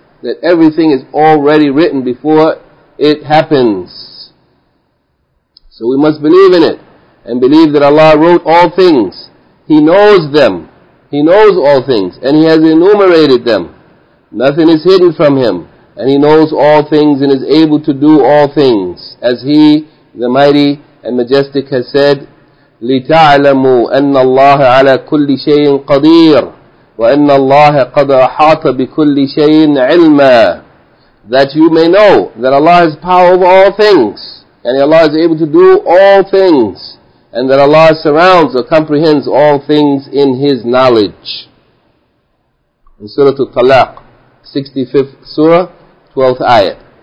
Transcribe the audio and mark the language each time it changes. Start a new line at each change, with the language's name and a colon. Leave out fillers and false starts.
English: That everything is already written before it happens. So we must believe in it. And believe that Allah wrote all things. He knows them. He knows all things. And He has enumerated them. Nothing is hidden from Him. And He knows all things and is able to do all things. As He, the Mighty and Majestic, has said,
Arabic: لِتَعْلَمُوا أَنَّ اللَّهَ عَلَى كُلِّ شَيْءٍ قَدِيرٌ وَأَنَّ اللَّهَ قَدْ أَحَاطَ بِكُلِّ شَيْءٍ عِلْمًا.
English: That you may know that Allah has power over all things. And Allah is able to do all things. And that Allah surrounds or comprehends all things in His knowledge. In Surah Al-Talaq, 65th Surah, 12th Ayat.